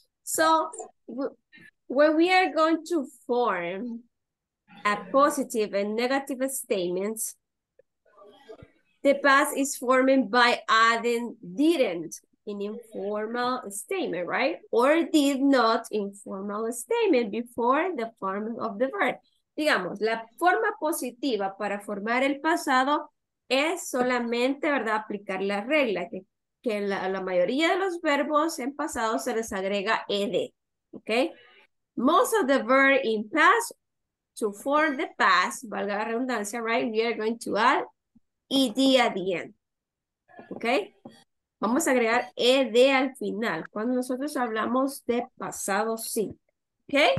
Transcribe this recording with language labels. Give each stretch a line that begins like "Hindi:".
English: So, when we are going to form a positive and negative statements, the past is forming by adding didn't. In informal statement, right? Or did not informal statement before the form of the verb.
Spanish: Digamos, la forma positiva para formar el pasado es solamente, ¿verdad? Aplicar la regla que la mayoría de los verbos en pasado se les agrega ed, ¿ok?
English: Most of the verb in past, to form the past,
Spanish: valga la redundancia,
English: right? We are going to add ed at the end, ¿ok?
Spanish: Vamos a agregar ed al final, cuando nosotros hablamos de pasado simple, ¿ok?